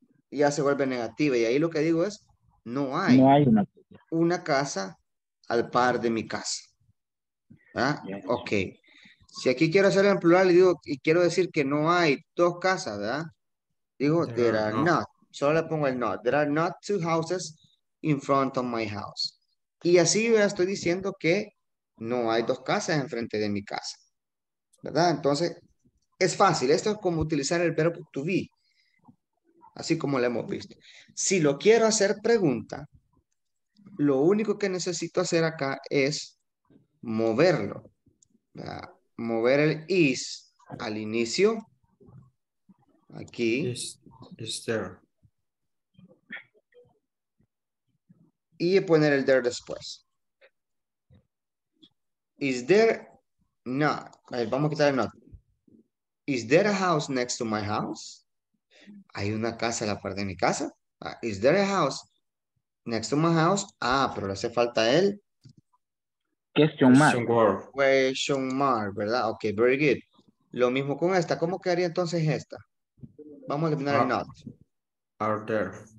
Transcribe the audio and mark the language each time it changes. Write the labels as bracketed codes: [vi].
[es] Ya se vuelve negativa. Y ahí lo que digo es, no hay una casa al par de mi casa. ¿Ah? Yes. Ok. Si aquí quiero hacerlo en plural y quiero decir que no hay dos casas, ¿verdad? Digo, [en] there are not. [es] Solo le pongo el not. [en] There are not two houses in front of my house. [es] Y así yo estoy diciendo que no hay dos casas enfrente de mi casa. ¿Verdad? Entonces, es fácil. Esto es como utilizar el verbo to be. Así como lo hemos visto. Si lo quiero hacer pregunta, lo único que necesito hacer acá es moverlo. ¿Verdad? Mover el is al inicio. Aquí. [en] Is there. [es] Y poner el there después. [en] Is there not? [es] Vamos a quitar el not. [en] Is there a house next to my house? [es] ¿Hay una casa a la par de mi casa? [en] Is there a house next to my house? [es] Ah, pero le hace falta el [en] question mark, [es] ¿verdad? [en] Ok, very good. [es] Lo mismo con esta. ¿Cómo quedaría entonces esta? Vamos a eliminar el not. [en] Are there.